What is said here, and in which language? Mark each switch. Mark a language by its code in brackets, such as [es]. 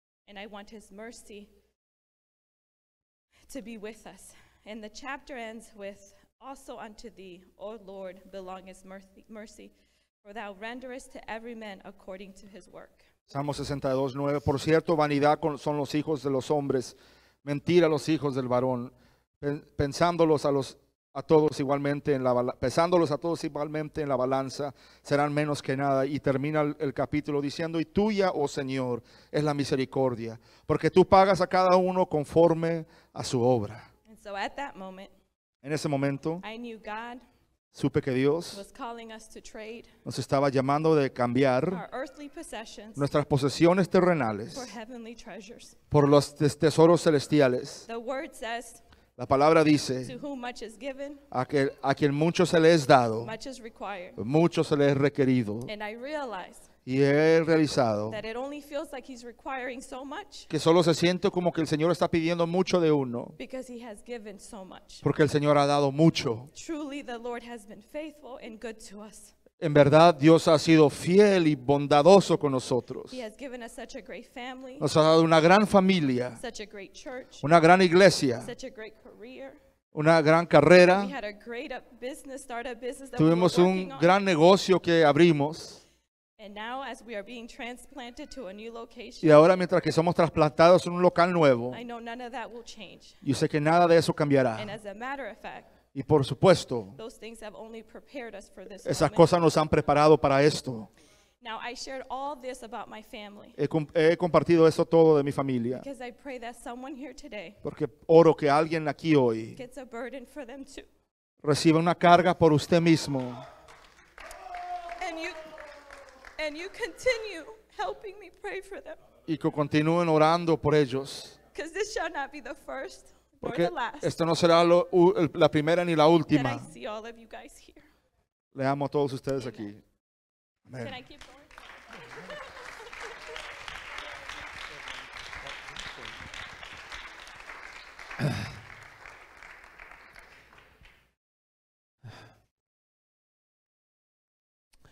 [en] And I want his mercy to be with us. And the chapter ends with, "Also unto thee, O Lord, belongeth mercy, for thou renderest to every man according to his work." [es] Salmo 62:9. Por cierto, vanidad son los hijos de los hombres, mentira los hijos del varón, pensándolos a los a todos igualmente en la, pesándolos a todos igualmente en la balanza, serán menos que nada. Y termina el capítulo diciendo: y tuya, oh Señor, es la misericordia, porque tú pagas a cada uno conforme a su obra. [en] And so at that moment, [es] en ese momento, [en] I knew God, [es] supe que Dios [en] was calling us to trade, [es] nos estaba llamando de cambiar [en] our earthly possessions, [es] nuestras posesiones terrenales [en] for heavenly treasures. [es] Por los tesoros celestiales. [en] The word says, [es] la palabra dice, [en] to whom much is given, [es] a quien mucho se le es dado, [en] much is required, [es] mucho se le es requerido. [en] And I realized, [es] y he realizado, [en] that it only feels like he's requiring so much, [es] que solo se siente como que el Señor está pidiendo mucho de uno, [en] because he has given so much. [es] Porque el Señor ha dado mucho. [en] Truly the Lord has been faithful and good to us. [es] En verdad, Dios ha sido fiel y bondadoso con nosotros. [en] He has given us such a great family, [es] nos ha dado una gran familia, [en] such a great church, [es] una gran iglesia, [en] such a great career, [es] una gran carrera. [en] We had a great business, start a business that [es] tuvimos [en] we were [es] un [en] working [es] gran [en] on. [es] Negocio que abrimos. [en] And now, as we are being transplanted to a new location, [es] y ahora mientras que somos trasplantados en un local nuevo, [en] I know none of that will change. [es] Yo sé que nada de eso cambiará. [en] And as a matter of fact, [es] y por supuesto, [en] those things have only prepared us for this [es] esas [en] moment. [es] Cosas nos han preparado para esto. [en] Now, I shared all this about my family, [es] he compartido eso todo de mi familia, [en] because I pray that someone here today, [es] porque oro que alguien aquí hoy, [en] gets a burden for them too. [es] Reciba una carga por usted mismo. [en] And you continue helping me pray for them. [es] Y que continúen orando por ellos. [en] Because this shall not be the first, [es] porque [en] nor the last. [es] Esto no será la primera ni la última. [en] And I see all of you guys here. [es] Le amo a todos ustedes. Amen. Aquí. [en] Amen. Can I keep going?